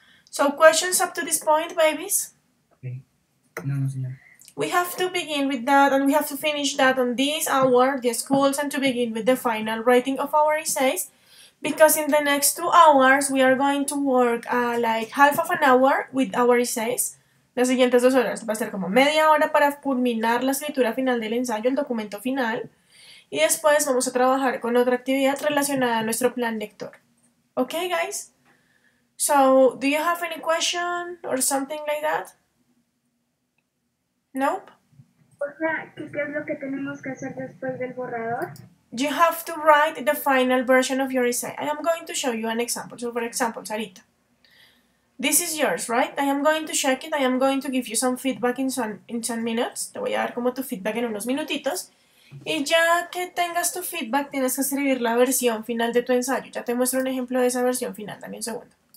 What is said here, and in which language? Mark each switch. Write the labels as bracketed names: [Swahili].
[English] So questions up to this point, babies? [Spanish] Okay. No, no, señor. [English] We have to begin with that and we have to finish that on this hour, the schools, and to begin with the final writing of our essays, because in the next 2 hours we are going to work like half of an hour with our essays. [Spanish] Las siguientes 2 horas va a ser como media hora para culminar la escritura final del ensayo, el documento final, y después vamos a trabajar con otra actividad relacionada a nuestro plan lector. [English] Okay, guys? So, do you have any question or something like that? Nope. You have to write the final version of your essay. I am going to show you an example. So, for example, Sarita, this is yours, right? I am going to check it. I am going to give you some feedback in some minutes. [Spanish] Te voy a dar como tu feedback en unos minutitos. Y ya que tengas tu feedback, tienes que escribir la versión final de tu ensayo. Ya te muestro un ejemplo de esa versión final. Dame un segundo.